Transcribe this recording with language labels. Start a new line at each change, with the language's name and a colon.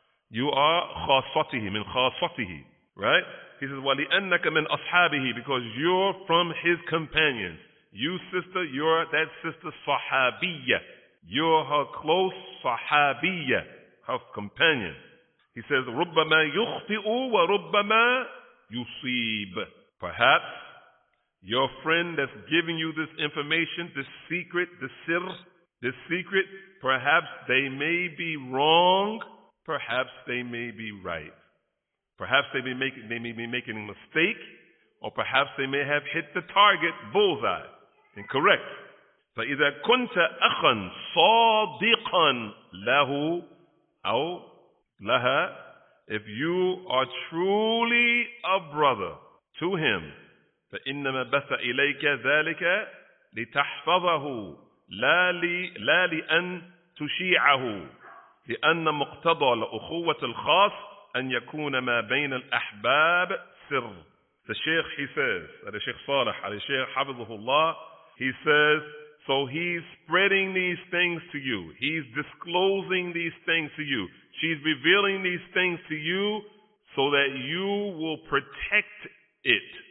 English: You are khasatihi, min khasatihi, right? He says,
Arabic: وَلِأَنَّكَ مِنْ أَصْحَابِهِ,
English: because you're from his companions. You, sister, you're that sister, sahabiyya. You're her close sahabiyya, her companion. He says,
Arabic: رُبَّمَا يُخْطِئُ وَرُبَّمَا يُصِيبُ.
English: Perhaps your friend that's giving you this information, this secret, this sir, this secret, perhaps they may be wrong, perhaps they may be right. Perhaps they may be making a mistake, or perhaps they may have hit the target, bullseye, incorrect.
Arabic: فَإِذَا كُنْتَ أَخًا صَادِقًا لَهُ أَوْ لَهَا.
English: If you are truly a brother to him,
Arabic: فَإِنَّمَا بَثَ إِلَيْكَ ذَلِكَ لِتَحْفَظَهُ لَا لِأَنْ تُشِيعَهُ لِأَنَّ مُقْتَضَى لَأُخُوَّةِ الْخَاصِ أَنْ يَكُونَ مَا بَيْنَ الْأَحْبَابِ سِرٌّ.
English: The Shaykh, he says, the Shaykh Salih, the Shaykh
Arabic: حَفِظُهُ اللَّهِ,
English: he says, so he's spreading these things to you. He's disclosing these things to you. She's revealing these things to you so that you will protect it.